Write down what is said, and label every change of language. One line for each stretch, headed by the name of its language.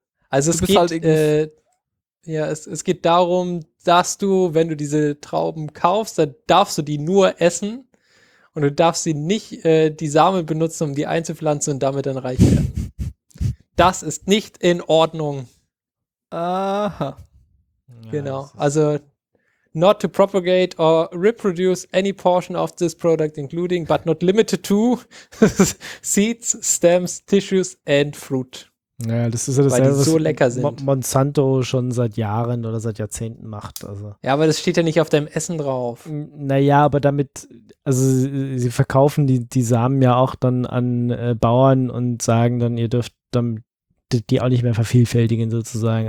German: es geht halt ja, es geht darum, dass du, wenn du diese Trauben kaufst, dann darfst du die nur essen und du darfst sie nicht die Samen benutzen, um die einzupflanzen und damit dann reich werden. Das ist nicht in Ordnung. Aha. Genau. Also
English: not to propagate or reproduce any portion of this product, including but not limited to seeds, stems, tissues and fruit.
German: Naja, das ist ja das, weil selbe, die so lecker sind. Monsanto schon seit Jahren oder seit Jahrzehnten macht. Also. Ja, aber das steht ja nicht auf deinem Essen drauf. Naja, aber damit, also sie verkaufen die Samen ja auch dann an Bauern und sagen dann, ihr dürft damit die auch nicht mehr vervielfältigen sozusagen.